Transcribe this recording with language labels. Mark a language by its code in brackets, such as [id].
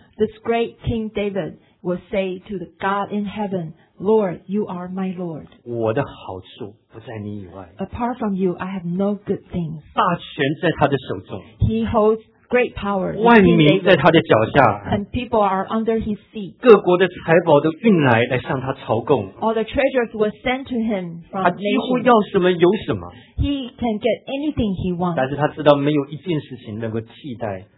[en] This great King David will say to the God in heaven, Lord, you are my Lord. [zh] 我的好处不在你以外。 [en] Apart from you, I have no good things. [zh] 大权在他的手中。 [en] He holds great power. [zh] 万民在他的脚下。 [en] And people are under his feet. [zh] 各国的财宝都运来向他朝贡。 [en] All the treasures were sent to him from nations. [zh] 他几乎要什么有什么。 [en] He can get anything he wants. [zh] 但是他知道没有一件事情能够替代。